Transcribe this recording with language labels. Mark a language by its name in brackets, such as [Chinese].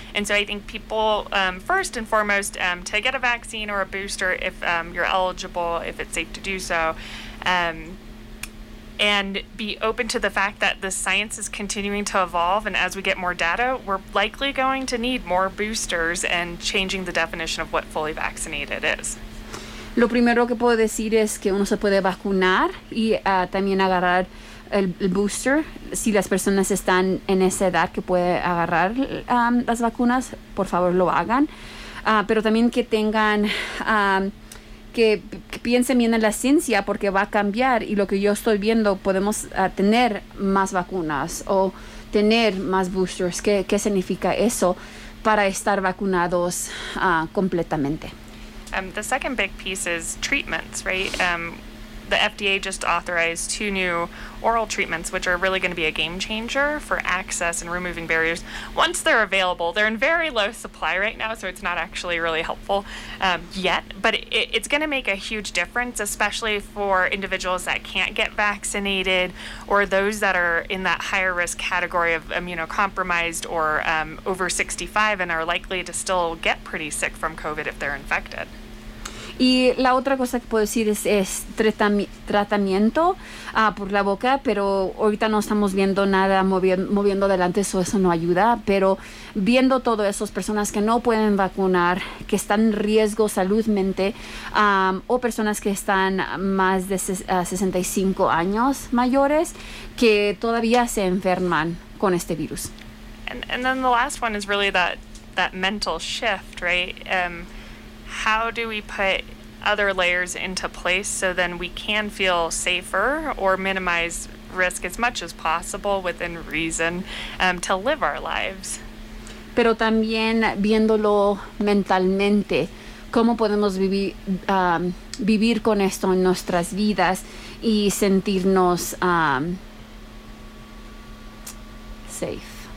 [English] And so I think people, first and foremost, to get a vaccine or a booster, if you're eligible, if it's safe to do so, and be open to the fact that the science is continuing to evolve, and as we get more data, we're likely going to need more boosters and changing the definition of what fully vaccinated is. [Spanish] Lo primero que puedo decir es que uno se puede vacunar y también agarrar el booster si las personas están en esa edad que puede agarrar las vacunas, por favor lo hagan, pero también que tengan que piensen bien en la ciencia porque va a cambiar y lo que yo estoy viendo podemos tener más vacunas o tener más boosters. ¿Qué significa eso para estar vacunados completamente? [English] The second big piece is treatments, right? the FDA just authorized two new oral treatments, which are really going to be a game changer for access and removing barriers once they're available. They're in very low supply right now, so it's not actually really helpful yet, but it's going to make a huge difference, especially for individuals that can't get vaccinated or those that are in that higher risk category of immunocompromised or over 65 and are likely to still get pretty sick from COVID if they're infected. [Spanish] Y la otra cosa que puedo decir es tratamiento por la boca, pero ahorita no estamos viendo nada moviendo adelante, eso no ayuda. Pero viendo todo eso, personas que no pueden vacunar, que están en riesgo saludmente, o personas que están más de 65 años mayores, que todavía se enferman con este virus. [English] And then the last one is really that mental shift, right? How do we put other layers into place so then we can feel safer or minimize risk as much as possible within reason to live our lives? [Spanish] Pero también viéndolo mentalmente, ¿cómo podemos vivir con esto en nuestras vidas y sentirnos safe?